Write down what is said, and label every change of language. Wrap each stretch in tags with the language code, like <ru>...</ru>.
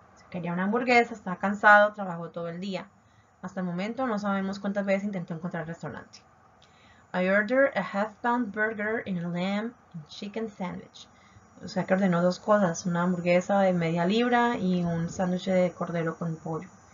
<es>Quería una hamburguesa, estaba cansado, trabajó todo el día. Hasta el momento no sabemos cuántas veces intentó encontrar el restaurante.</es> <en>I ordered a half-pound burger and a lamb and chicken sandwich.</en> <es>O sea que ordenó dos cosas, una hamburguesa de media libra y un sándwich de cordero con pollo.</es>